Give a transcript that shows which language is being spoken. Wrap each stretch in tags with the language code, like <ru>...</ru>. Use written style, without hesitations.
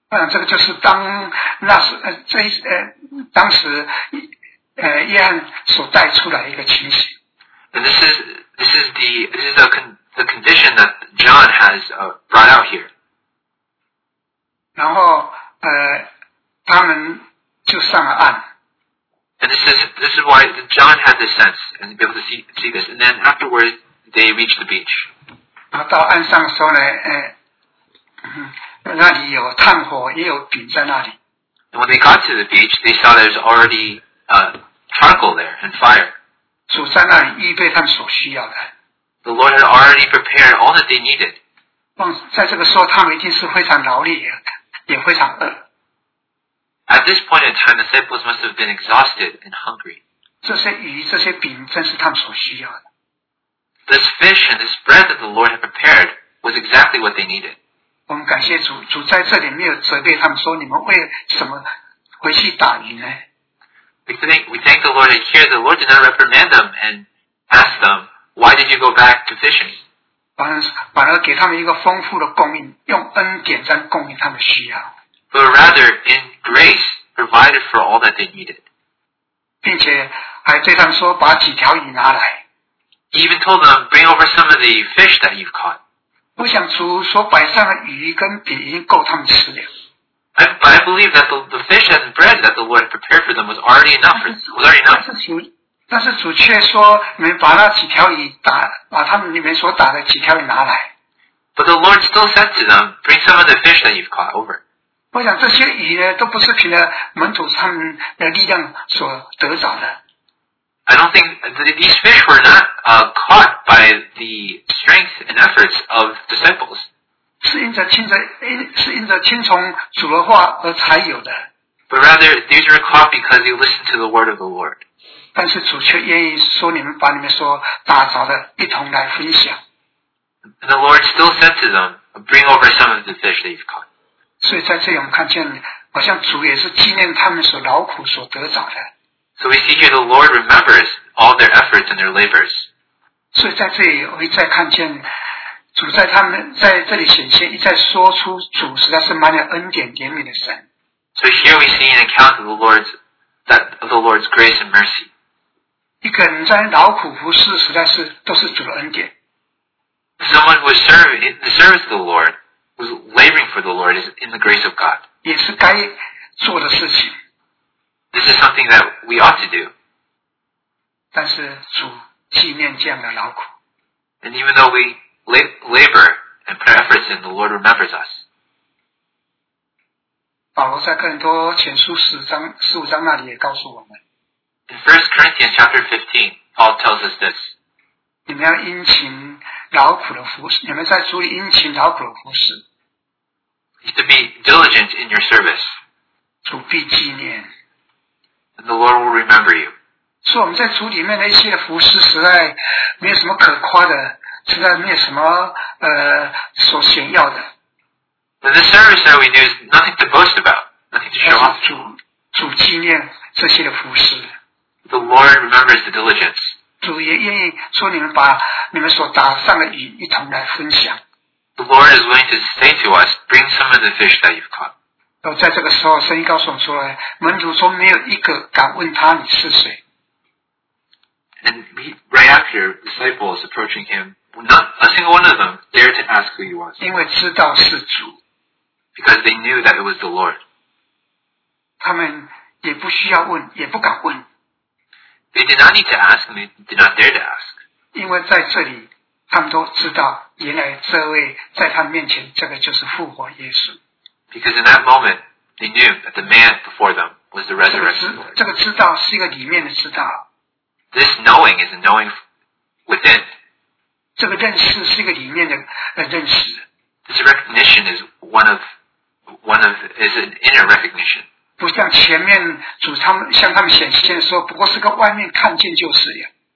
<zh>这个就是当时约翰所带出来一个情形。</zh> <en>And this is the condition that John has brought out here.</en> <zh>然后他们就上了岸。</zh> <en>And this is why John had this sense and be able to see this. And then afterwards they reach the beach.</en> <zh>然后到岸上的时候呢，那里有炭火，也有饼在那里。</zh> <en>And when they got to the beach, they saw there's already charcoal there and fire.</en> <zh>主在那里预备他们所需要的。</zh> <en>The Lord had already prepared all that they needed.</en> <zh>在这个时候他们一定是非常劳累也非常饿。</zh> <en>At this point in time, the disciples must have been exhausted and hungry.</en> <zh>这些鱼这些饼正是他们所需要的。</zh> <en>This fish and this bread that the Lord had prepared was exactly what they needed.</en> <zh>我们感谢主，主在这里没有责备他们说你们为什么回去打鱼呢？</zh> <en>We thank the Lord that here the Lord did not reprimand them and ask them, why did you go back to fishing?</en> <zh>反而给他们一个丰富的供应，用恩典在供应他们需要。</zh> <en>But rather, in grace, provided for all that they needed.</en> <zh>并且还对他们说把几条鱼拿来。</zh> <en>He even told them, bring over some of the fish that you've caught.</en> <zh>我想主所摆上的鱼跟饼已经够他们吃了。</zh> <en>But I believe that the fish and bread that the Lord prepared for them was already enough. But But the Lord still said to them, bring some of the fish that you've caught over.</en> <zh>我想这些鱼呢都不是凭着门徒他们的力量所得着的。</zh> <en>I don't think these fish were not caught by the strength and efforts of disciples.</en> <zh>是因着听从主的话而才有的。</zh> <en>But rather, these were caught because you listened to the word of the Lord.</en> <zh>但是主却愿意说你们把你们所打着的一同来分享。</zh> <en>And the Lord still said to them, bring over some of the fish that you've caught.</en> <zh>所以在这里我们看见好像主也是纪念他们所劳苦所得着的。</zh> <en>So we see here the Lord remembers all their efforts and their labors.</en> <zh>所以在这里我一再看见主在他们在这里显现一再说出主实在是满有恩典怜悯的神。</zh> <en>So here we see an account of the Lord's grace and mercy.</en> <zh>一个人在劳苦服侍实在是都是主的恩典。</zh> <en>Someone who is serving in the service of the Lord, who is laboring for the Lord, is in the grace of God.</en> <zh>也是该做的事情。</zh> <en>This is something that we ought to do.</en> <zh>但是主纪念这样的劳苦。</zh> <en>And even though we labor and put efforts in, the Lord remembers us.</en> <zh>保罗在更多前书十五章那里也告诉我们。</zh> <en>In 1 Corinthians chapter 15, Paul tells us this.</en> <zh>你们要殷勤劳苦的服侍，你们在主里殷勤劳苦的服侍。</zh> <en>You should be diligent in your service.</en> <zh>主必纪念。</zh> <en>And the Lord will remember you.</en> <zh>所以我们在主里面的一些服侍，实在没有什么可夸的，实在没有什么所炫耀的。</zh> <en>And the service that we do is nothing to boast about, nothing to show off.</en> <zh>主纪念这些的服侍。</zh> <en>The Lord remembers the diligence.</en> <zh>主也愿意说你们把你们所打上的鱼一同来分享。</zh> <en>The Lord is willing to say to us, bring some of the fish that you've caught.</en> <zh>然后在这个时候，声音告诉我们说，门徒中没有一个敢问他你是谁。</zh> <en>And right after disciples approaching him, not a single one of them dared to ask who he was.</en> <zh>因为知道是主。</zh> <en>Because they knew that it was the Lord.</en> <zh>他们也不需要问，也不敢问。</zh> <en>They did not need to ask, and they did not dare to ask.</en> <zh>因为在这里，他们都知道，原来这位在他们面前，这个就是复活耶稣。</zh> <en>Because in that moment, they knew that the man before them was the resurrection.</en> <zh>这个知道是一个里面的知道。</zh> <en>This knowing is a knowing within.</en> <zh>这个认识是一个里面的认识。</zh> <en>This recognition is an inner recognition.</en> <zh>不像前面主他们向他们显现说不过是个外面看见就是呀。</zh>